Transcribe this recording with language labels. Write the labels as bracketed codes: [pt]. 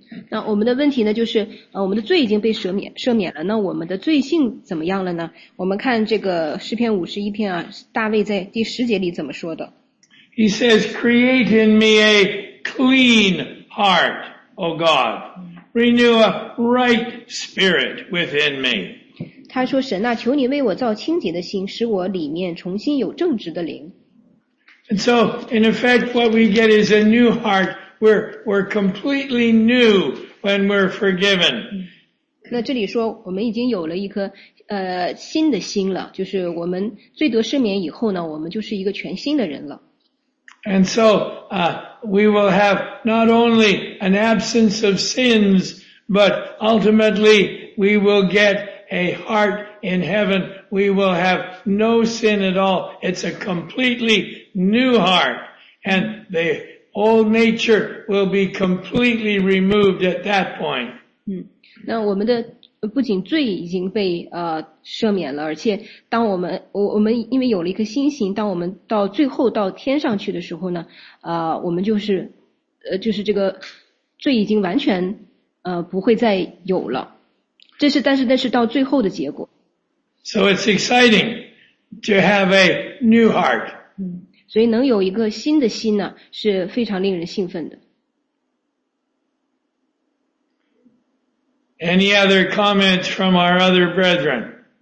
[zh] 那我们的问题呢就是我们的罪已经被赦免了那我们的罪性怎么样了呢我们看这个诗篇五十一篇啊大卫在第十节里怎么说的。 [en] He says, create in me a clean heart, O God. Renew a right spirit within me. [zh] 他说神啊求你为我造清洁的心使我里面重新有正直的灵。 [en] And so, in effect, what we get is a new heart. We're completely new when we're forgiven. [zh] 那这里说我们已经有了一颗新的心了就是我们罪得赦免以后呢我们就是一个全新的人了。 [en] And so, we will have not only an absence of sins, but ultimately we will get a heart in heaven. We will have no sin at all. It's a completely new heart. And the old nature will be completely removed at that point. [zh] 那我们的不仅罪已经被赦免了而且当我们因为有了一颗新心当我们到最后到天上去的时候呢我们就是这个罪已经完全不会再有了但是到最后的结果 [en] So it's exciting to have a new heart [zh] 所以能有一个新的心呢是非常令人兴奋的 [en] Any other comments from our other brethren?